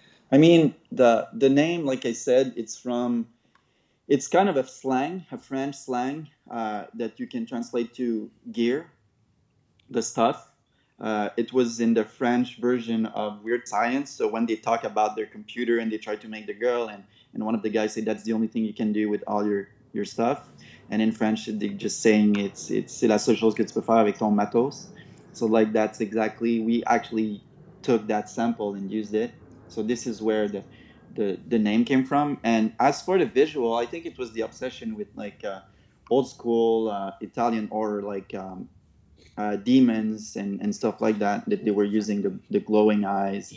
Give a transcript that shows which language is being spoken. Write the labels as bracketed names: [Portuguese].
[English] I mean, the name, like I said, it's kind of a slang, a French slang that you can translate to gear, the stuff. It was in the French version of Weird Science. So when they talk about their computer and they try to make the girl, and one of the guys say that's the only thing you can do with all your stuff. And in French, they're just saying it's [French] la seule chose que tu peux faire avec ton matos. [English] So like that's exactly, we actually took that sample and used it. So this is where the name came from. And as for the visual, I think it was the obsession with like old school Italian horror, like demons and stuff like that, that they were using the glowing eyes.